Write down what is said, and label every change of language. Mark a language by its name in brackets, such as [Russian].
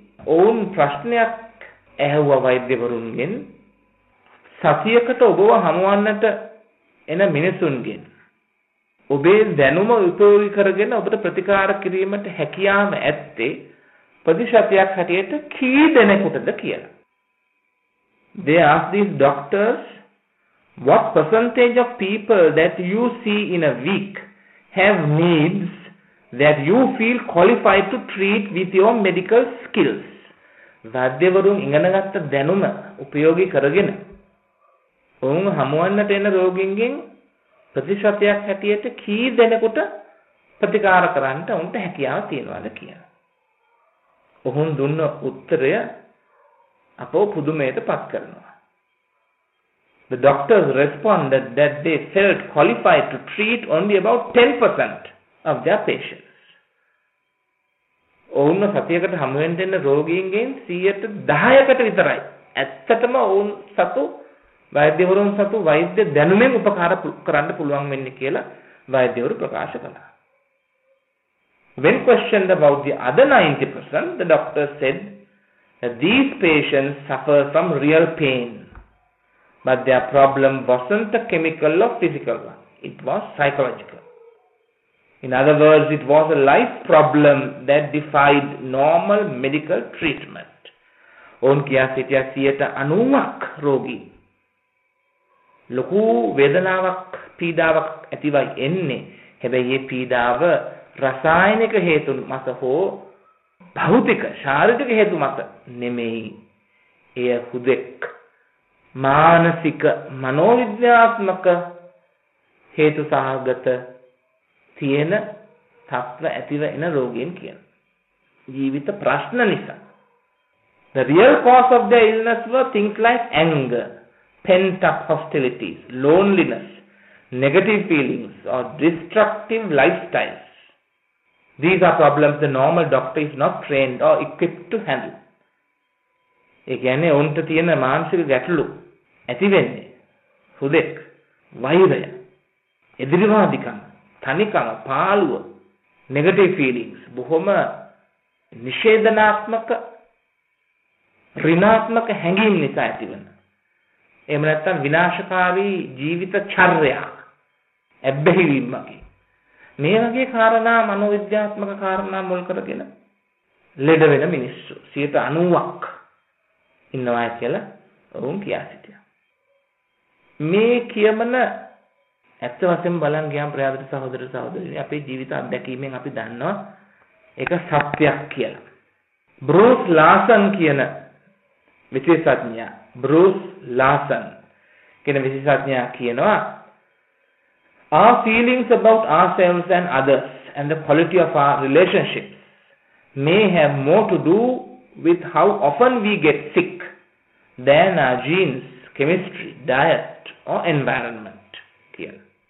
[Sinhala] ඔවුන් ප්‍රශ්නයක් ඇහුවා වෛද්‍යවරුන්ගෙන්, සතියකට ඔබව හමුවන්නට එන මිනිසුන්ගෙන් ඔබේ දැනුම උපයෝගී කරගෙන ඔබට ප්‍රතිකාර කිරීමට හැකියාව ඇත්තේ ප්‍රතිශතයක් හැටියට කී දෙනෙකුටද කියලා. [English] They ask these doctors, what percentage of people that you see in a week have needs that you feel qualified to treat with your medical skills? [Sinhala] වෛද්‍යවරුන් ඉගෙන ගත්ත දැනුම උපයෝගී කරගෙන ඔවුන් හමුවන්නට එන රෝගීන්ගෙන් ප්‍රතිශතයක් හැටියට කී දෙනෙකුට ප්‍රතිකාර කරන්නට ඔවුන්ට හැකියාව තියෙනවද කියලා. ඔවුන් දුන්න උත්තරය අපෝ පුදුමයට පත් කරනවා. [English] The doctors responded that they felt qualified to treat only about 10% of their patients. [Sinhala] ඔවුන් සතියකට හමුවෙන්න දෙන රෝගීන්ගෙන් 10%කට විතරයි ඇත්තටම ඔවුන් සතු වෛද්‍යවරුන් සතු වෛද්‍ය දැනුමෙන් උපකාර කරන්න පුළුවන් වෙන්නේ කියලා වෛද්‍යවරු ප්‍රකාශ කළා. [English] When questioned about the other 90%, the doctor said that these patients suffer from real pain, but their problem wasn't a chemical or physical one, it was psychological. In other words, it was a life problem that defied normal medical treatment. [Sinhala] ඔවුන් කියා සිටියා 90%ක් රෝගී ලොකු වේදනාවක් පීඩාවක් ඇතිවයි එන්නේ. හැබැයි මේ පීඩාව රසායනික හේතු මත හෝ භෞතික ශාරීරික හේතු මත නෙමෙයි. එය හුදෙක් මානසික මනෝවිද්‍යාත්මක හේතු සහගත තියෙන තත්ත්ව ඇතිව එන රෝගීන් කියන ජීවිත ප්‍රශ්න නිසා. [English] The real cause of their illness were things like anger, pent up hostilities, loneliness, negative feelings or destructive lifestyles. These are problems the normal doctor is not trained or equipped to handle. [Sinhala] ඒ කියන්නේ ඔවුන්ට තියෙන මානසික ගැටලු ඇති වෙන්නේ හුදෙක් වෛරය, එදිරිවාදිකම්, තනිකම, පාළුව, [English] negative feelings, [Sinhala] බොහොම නිෂේධනාත්මක ඍණාත්මක හැඟීම් නිසා ඇතිවෙන. එහෙම නැත්නම් විනාශකාරී ජීවිත චර්යාවක් ඇබ්බැහිවීමකි. මේ වගේ කාරණා මනෝවිද්‍යාත්මක කාරණා මුල් කරගෙන ලෙඩ වෙන මිනිස්සු 90%ක් ඉන්නවා කියලා ඔවුන් කියා සිටියා. මේ කියමන ඇත්ත වශයෙන් බලන් ගියාම ප්‍රයාවිත සහෝදර සහෝදරිනේ, අපේ ජීවිත අත්දැකීමෙන් අපි දන්නවා ඒක සත්‍යයක් කියලා. බෲස් ලාසන් කියන විශේෂඥයා, බෲස් ලාසන් කියන විශේෂඥයා කියනවා, [English] our feelings about ourselves and others and the quality of our relationships may have more to do with how often we get sick than our genes, chemistry, diet or environment [Sinhala] kiyala.